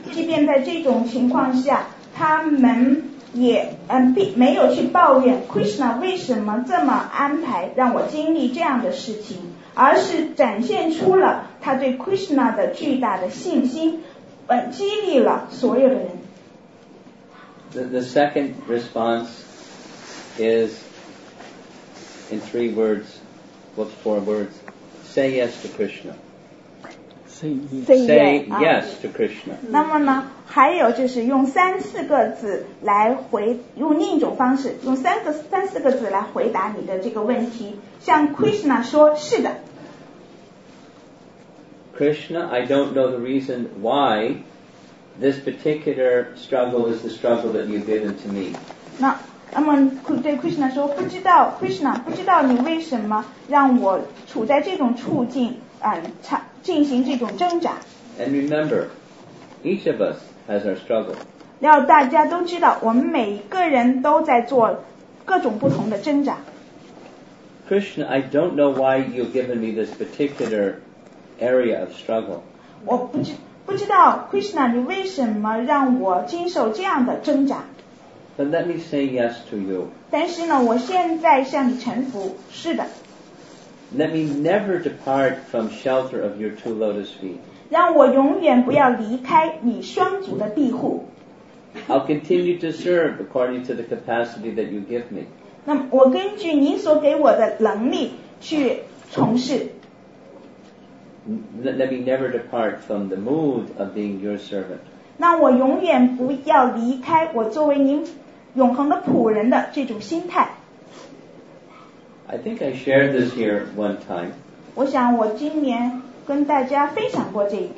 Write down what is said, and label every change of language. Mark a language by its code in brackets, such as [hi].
[zh] 即便在这种情况下他们也没有去抱怨 Krishna 为什么这么安排让我经历这样的事情而是展现出了他对 Krishna 的巨大的信心。激励了所有的人。 [en] The second response is in three words, what's four words? Say yes to Krishna. Say yes to Krishna. [zh] 那么呢，还有就是用三四个字来回，用另一种方式，用三四个字来回答你的这个问题，向 Krishna 说是的。 [en] Krishna, I don't know the reason why this particular struggle is the struggle that you've given to me. [zh] 那那么对 Krishna 说，不知道 Krishna， 不知道你为什么让我处在这种处境，进行这种挣扎。 [en] And remember, each of us has our struggle. [zh] 要大家都知道，我们每个人都在做各种不同的挣扎。 [en] Krishna, I don't know why you've given me this particular. Area of struggle. [zh] 我不知道 Krishna 你为什么让我经受这样的挣扎 [en] But let me say yes to you. [zh] 但是呢我现在向你臣服是的 [en] Let me never depart from shelter of your two lotus feet. [zh] 让我永远不要离开你双足的庇护 [en] I'll continue to serve according to the capacity that you give me. [zh] 那我根据你所给我的能力去从事 [en] Let me never depart from the mood of being your servant. [zh] 那我永远不要离开我作为您永恒的仆人的这种心态。 [en] I think I shared this here one time. [zh] 我想我今年跟大家分享过这一点。